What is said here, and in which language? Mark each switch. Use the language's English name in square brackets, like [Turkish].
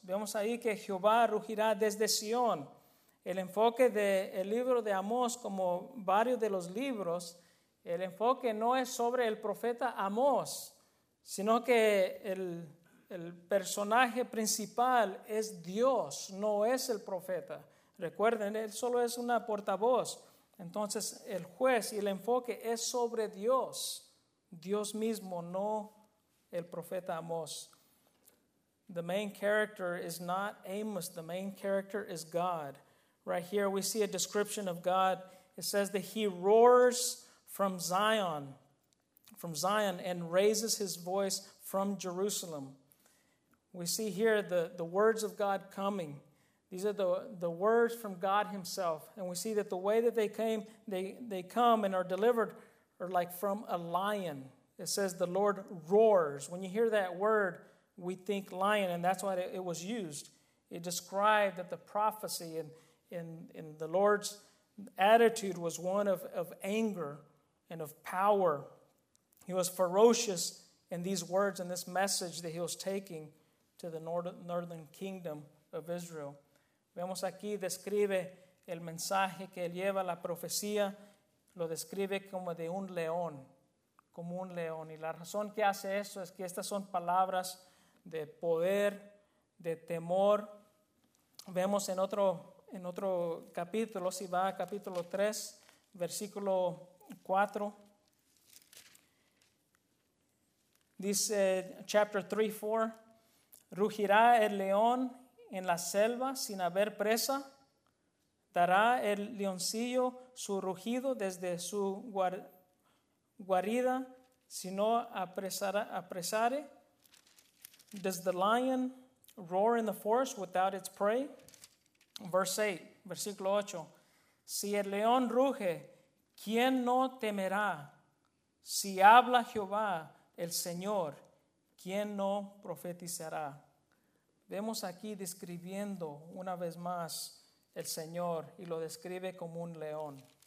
[Spanish] Vemos ahí que Jehová rugirá desde Sion. El enfoque del libro de Amós, como varios de los libros, el enfoque no es sobre el profeta Amós, sino que el personaje principal es Dios, no es el profeta. Recuerden, él solo es una portavoz. Entonces, el juez y el enfoque es sobre Dios. Dios mismo, no el profeta Amós. [English] The main character is not Amos. The main character is God. Right here, we see a description of God. It says that he roars from Zion, and raises his voice from Jerusalem. We see here the words of God coming. These are the words from God himself. And we see that the way that they came, they come and are delivered are like from a lion. It says the Lord roars. When you hear that word, we think lion, and that's why it was used. It described that the prophecy and the Lord's attitude was one of anger and of power. He was ferocious in these words and this message that he was taking to the northern kingdom of Israel. [Spanish] Vemos aquí, describe el mensaje que él lleva, la profecía, lo describe como de un león, como un león. Y la razón que hace eso es que estas son palabras de poder, de temor. Vemos en otro capítulo, si va a capítulo 3, versículo 4, dice, chapter 3, 4, rugirá el león en la selva sin haber presa, dará el leoncillo su rugido desde su guarida, si no apresare. [English] Does the lion roar in the forest without its prey? Verse 8, versículo 8. [Spanish] Si el león ruge, ¿quién no temerá? Si habla Jehová, el Señor, ¿quién no profetizará? Vemos aquí describiendo una vez más el Señor, y lo describe como un león.